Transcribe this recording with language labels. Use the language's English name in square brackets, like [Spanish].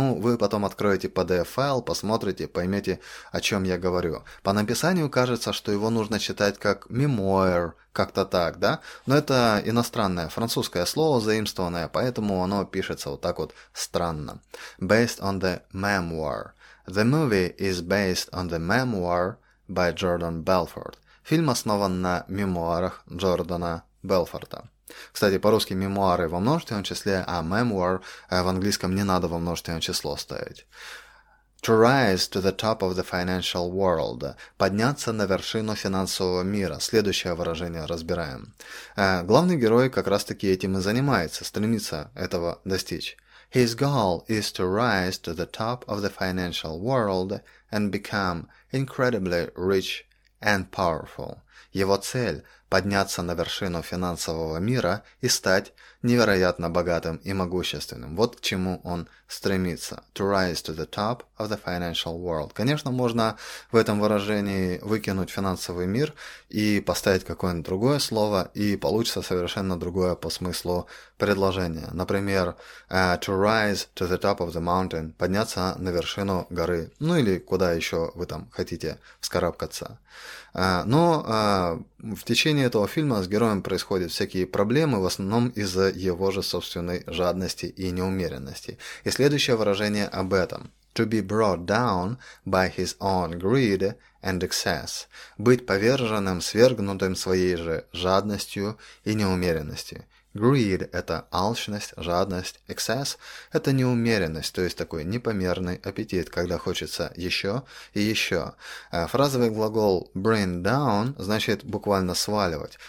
[Russian] Ну, вы потом откроете PDF-файл, посмотрите, поймете, о чем я говорю. По написанию кажется, что его нужно читать как memoir, как-то так, да? Но это иностранное французское слово, заимствованное, поэтому оно пишется вот так вот странно. [English] Based on the memoir. The movie is based on the memoir by Jordan Belfort. [Russian] Фильм основан на мемуарах Джордана Белфорта. Кстати, по-русски мемуары во множественном числе, а memoir в английском не надо во множественное число ставить. [English] To rise to the top of the financial world. [Russian] Подняться на вершину финансового мира. Следующее выражение разбираем. Главный герой как раз-таки этим и занимается, стремится этого достичь. [English] His goal is to rise to the top of the financial world and become incredibly rich and powerful. [Russian] Его цель – подняться на вершину финансового мира и стать невероятно богатым и могущественным. Вот к чему он стремится. [English] To rise to the top of the financial world. [Russian] Конечно, можно в этом выражении выкинуть финансовый мир и поставить какое-нибудь другое слово, и получится совершенно другое по смыслу предложение. Например, [English] to rise to the top of the mountain. [Russian] Подняться на вершину горы. Ну или куда еще вы там хотите вскарабкаться. Но в течение этого фильма с героем происходят всякие проблемы, в основном из-за его же собственной жадности и неумеренности. И следующее выражение об этом. [English] To be brought down by his own greed and excess. [Russian] Быть поверженным, свергнутым своей же жадностью и неумеренностью. Greed – это алчность, жадность. Excess – это неумеренность, то есть такой непомерный аппетит, когда хочется еще и еще. Фразовый глагол bring down значит буквально сваливать.